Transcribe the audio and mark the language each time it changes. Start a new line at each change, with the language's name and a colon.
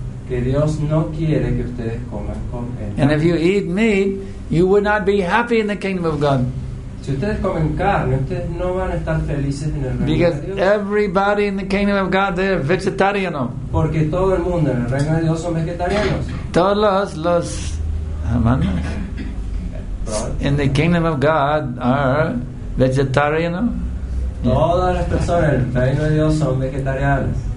Spanish: Que Dios no quiere que ustedes coman con él.
English: And if you eat meat, you would not be happy in the kingdom of God.
Spanish: Si ustedes comen carne, ustedes no van a estar felices en el reino de Dios.
English: Because everybody in the kingdom of God, they are vegetarian.
Spanish: Porque todo el mundo en el reino de Dios son vegetarianos.
English: Todos los hermanos in the kingdom of God are vegetarian.
Spanish: Todas las personas en el reino de Dios son vegetarianos.